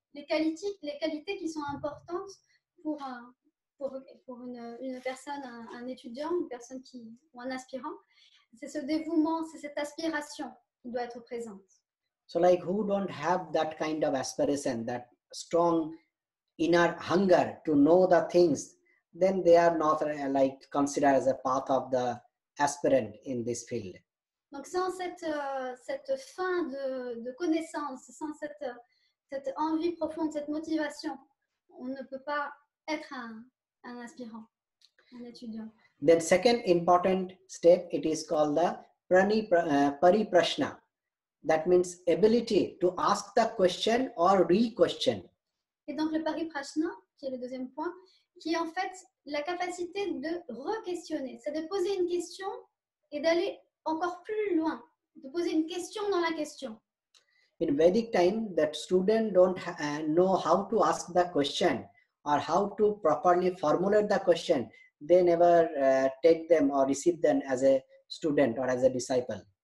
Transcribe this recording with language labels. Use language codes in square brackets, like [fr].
[fr] Les qualités qui sont importantes pour une personne, un étudiant, une personne qui, ou un aspirant, c'est ce dévouement, c'est cette aspiration qui doit être présente. [en] So like who don't have that kind of aspiration, that strong inner hunger to know the things, then they are not like considered as a path of the aspirant in this field. [fr] Donc sans cette faim de connaissance, sans cette envie profonde, cette motivation, on ne peut pas être un aspirant, un étudiant. [en] Then second important step, it is called the pariprashna. That means ability to ask the question or re-question. [fr] Et donc le pariprashna, qui est le deuxième point, qui est en fait la capacité de re-questionner, c'est de poser une question et d'aller encore plus loin, de poser une question dans la question. [en] In Vedic time, that student don't know how to ask the question or how to properly formulate the question, they never take them or receive them as a student or as a disciple.